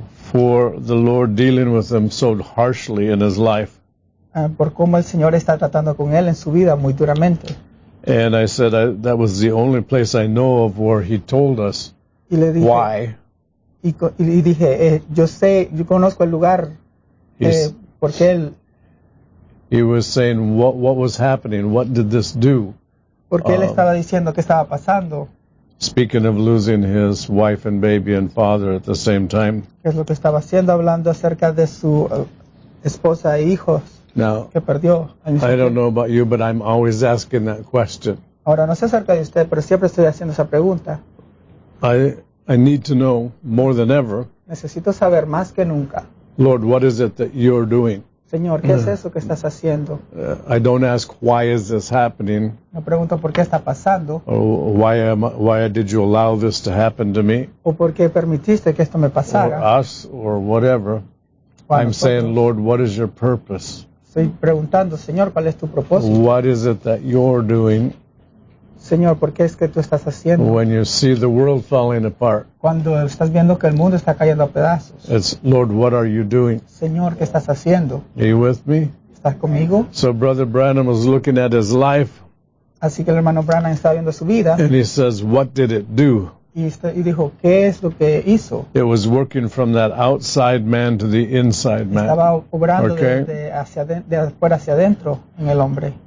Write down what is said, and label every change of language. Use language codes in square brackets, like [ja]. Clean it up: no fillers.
[en] For the Lord dealing with him so harshly in his life. [es] Por cómo el Señor está tratando con él en su vida muy duramente. [en] And I said, that was the only place I know of where he told us. [es] Y le dije, [en] why. [es] Y dije, yo sé, yo conozco el lugar. Porque él. [en] He was saying, what was happening? What did this do? [es] Porque él estaba diciendo qué estaba pasando. [en] Speaking of losing his wife and baby and father at the same time. [es] ¿Qué es lo que estaba haciendo? Hablando acerca de su esposa e hijos. [en] Now, [es] que perdió. [en] I don't know about you, but I'm always asking that question. [es] Ahora, no sé acerca de usted, pero siempre estoy haciendo esa pregunta. [en] I need to know more than ever. [es] Necesito saber más que nunca. [en] Lord, what is it that you're doing? [es] Señor, ¿qué es eso que estás haciendo? [en] I don't ask why is this happening. [es] No pregunto por qué está pasando. [en] Or why did you allow this to happen to me? [es] O por qué permitiste que esto me pasara. [en] Or us, or whatever. I'm saying, Lord, what is your purpose? [es] Estoy preguntando, Señor, ¿cuál es tu propósito? [en] What is it that you're doing? [es] Señor, ¿por qué es que tú estás haciendo? [en] When you see the world falling apart. [es] Cuando estás viendo que el mundo está cayendo a pedazos. [en] It's, Lord, what are you doing? [es] Señor, ¿qué estás haciendo? [en] Are you with me? [es] ¿Estás conmigo? [en] So Brother Branham was looking at his life. [es] Así que el hermano Branham está viendo su vida. [en] And he says, what did it do? [es] Y dijo, ¿qué es lo que hizo? [en] It was working from that outside man to the inside man. [es] Estaba obrando de afuera hacia adentro en el hombre.